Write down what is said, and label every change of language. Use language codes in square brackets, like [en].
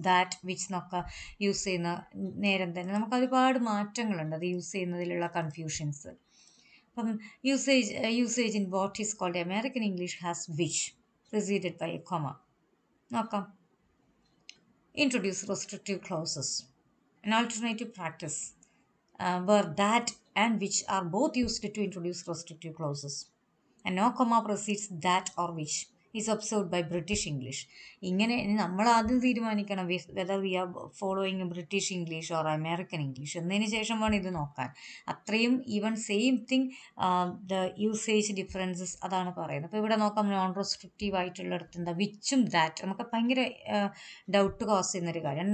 [ml] That which എന്നൊക്കെ use ചെയ്യുന്ന നേരം തന്നെ നമുക്ക് ഒരുപാട് മാറ്റങ്ങളുണ്ട് അത് യൂസ് ചെയ്യുന്നതിലുള്ള കൺഫ്യൂഷൻസ്. അപ്പം [en] usage in what is called American English has which preceded by a comma [ml] നോക്കാം. [en] Introduce restrictive clauses. An alternative practice where that and which are both used to introduce restrictive clauses. And no comma precedes that or which is observed by British English. [ml] ഇങ്ങനെ നമ്മൾ ആദ്യം തീരുമാനിക്കണം [en] whether we are following British English or American English [ml] എന്നതിന് ശേഷം വേണം ഇത് നോക്കാൻ. [en] അത്രയും even same thing the usage differences [ml] അതാണ് പറയുന്നത്. അപ്പോൾ ഇവിടെ നോക്കാം, നോൺ റെസ്ട്രിക്റ്റീവ് ആയിട്ടുള്ളിടത്ത് എന്താ വിച്ചും ദാറ്റ് നമുക്ക് ഭയങ്കര ഡൗട്ട് കോസ് ചെയ്യുന്നൊരു കാര്യം.